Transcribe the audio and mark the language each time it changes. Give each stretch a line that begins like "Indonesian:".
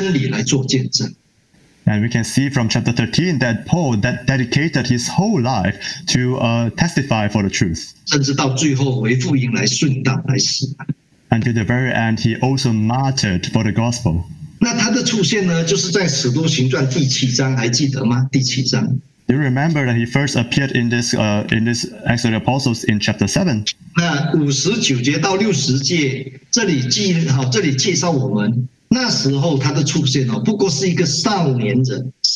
English: And we can see from chapter 13 that Paul that dedicated his whole life to testify for the truth. Until the very end, he also martyred for the gospel.
Chinese: 那他的出现呢,就是在使徒行传第七章,还记得吗?
English: Do you remember that he first appeared in this Acts of the Apostles in chapter 7?
Chinese: 那59节到60节,这里介绍我们,那时候他的出现不过是一个少年人。